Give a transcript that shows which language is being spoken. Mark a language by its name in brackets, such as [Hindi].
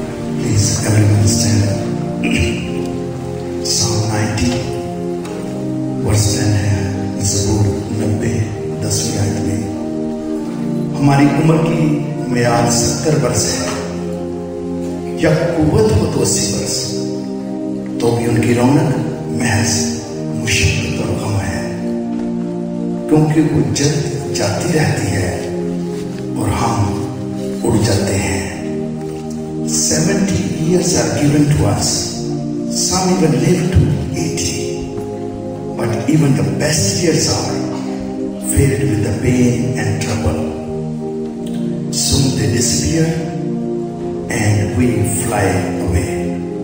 [English] Please everyone stand up. Psalm 90 verse 10 hai. [Hindi] Zabur 90 10वीं आयत में हमारी उम्र की मियाद 70 वर्ष है या कुवत हो तो 80 वर्ष तो भी उनकी रौनक महज मुशक्कत और गम है क्योंकि वो जल्द जाती रहती है और हम उड़ जाते हैं. [English] 70 years are given to us, some even live to 80, but even the best years are filled with the pain and trouble. Soon they disappear and we fly away.